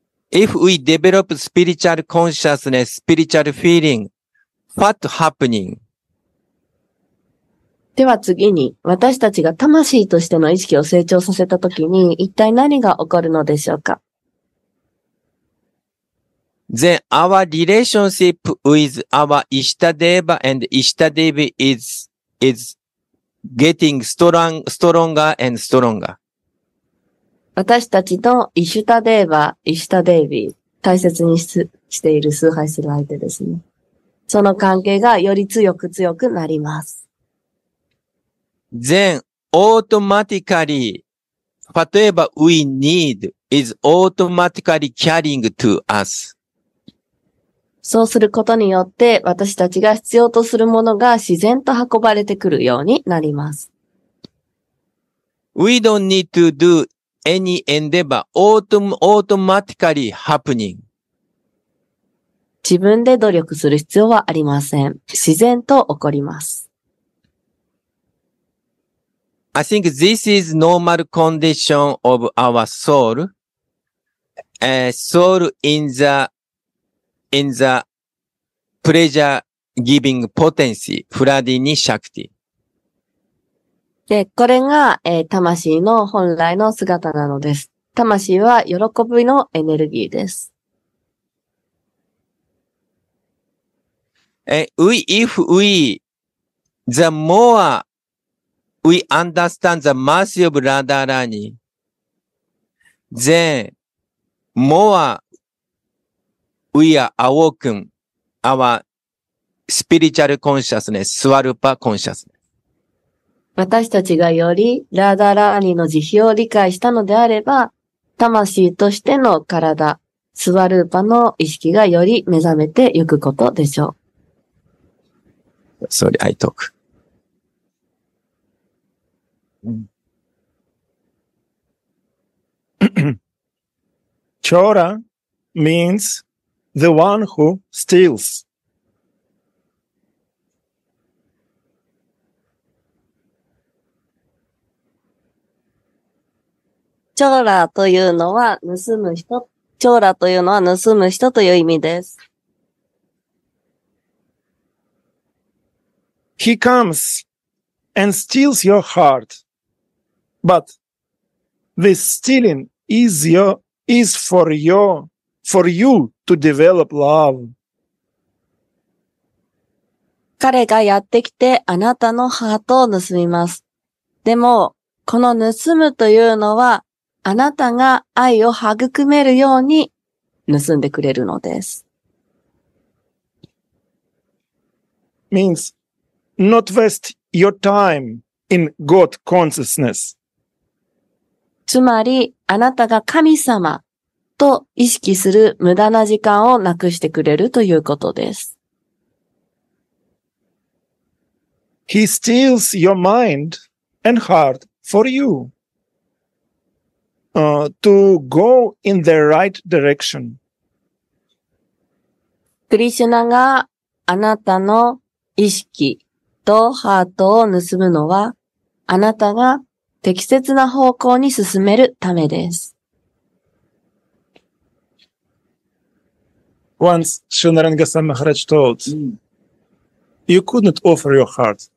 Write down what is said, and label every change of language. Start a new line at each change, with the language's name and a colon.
English: If we develop spiritual consciousness, spiritual feeling, what happening?
Japanese: では次に、私たちが魂としての意識を成長させたときに一体何が起こるのでしょうか？
English: Then our relationship with our Ishtadeva and Ishtadevi is getting stronger and stronger.
Japanese: 私たちのイシュタデーバ、イシュタデイビー、大切にしている崇拝する相手ですね。その関係がより強くなります。
English: Then automatically, whatever we need is automatically carrying to us.
Japanese: そうすることによって、私たちが必要とするものが自然と運ばれてくるようになります。
English: We don't need to do any endeavor automatically happening.
Japanese: 自分で努力する必要はありません。自然と起こります。
English: I think this is normal condition of our soul. Soul in the pleasure giving potency, fladi ni shakti.
Japanese: で、これが、魂の本来の姿なのです。魂は喜びのエネルギーです。
English: The more we understand the mercy of Radharani, then more we are awoken our spiritual consciousness, Swarupa consciousness.
Japanese: 私たちがよりラダラーニの慈悲を理解したのであれば、魂としての体、スワルーパの意識がより目覚めてゆくことでしょう。
English: Sorry, I talk. Chora means the one who steals.
Japanese: Chora というのは盗む人、Chora というのは盗む人という意味です。
English: He comes and steals your heart, but this stealing is for you to develop love.
Japanese: 彼がやってきてあなたのハートを盗みます。でもこの盗むというのはあなたが愛を育めるように盗んでくれるのです。
English: Means. Not waste your time in God consciousness.
Japanese: つまり、あなたが神様と意識する無駄な時間をなくしてくれるということです。
English: He steals your mind and heart for you, to go in the right direction.
Japanese: クリシュナがあなたの意識、とハートを盗むのは、あなたが適切な方向に進めるためです。
English: Once Shunaranga San Maharaj told,、mm. You could not offer your heart.